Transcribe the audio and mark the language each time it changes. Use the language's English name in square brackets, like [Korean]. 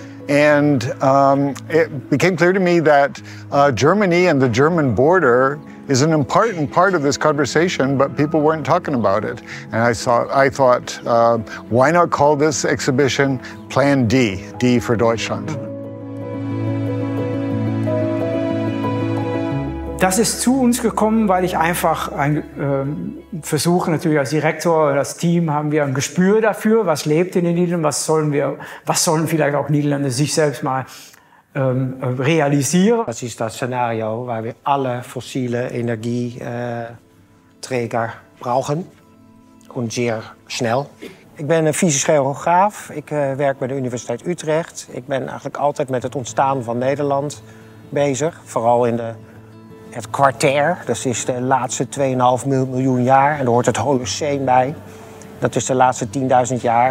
[English] And it became clear to me that Germany and the German border is an important part of this conversation, but people weren't talking about it. And I thought, why not call this exhibition Plan D, D for Deutschland? [German] Das ist zu uns gekommen, weil ich einfach versuche, natürlich als Direktor oder als Team haben wir ein Gespür dafür, was lebt in den Niederlanden, was sollen vielleicht auch Niederlande sich selbst mal realisieren. Das ist das Szenario, weil wir alle fossile Energieträger brauchen und sehr schnell. [Dutch] Ik ben een fysisch geograaf, ik werk bij de Universiteit Utrecht. Ik ben eigenlijk altijd met het ontstaan van Nederland bezig, vooral in de... Het kwartair, dat is de laatste 2,5 miljoen jaar. En daar hoort het Holoceen bij. Dat is de laatste 10.000 jaar.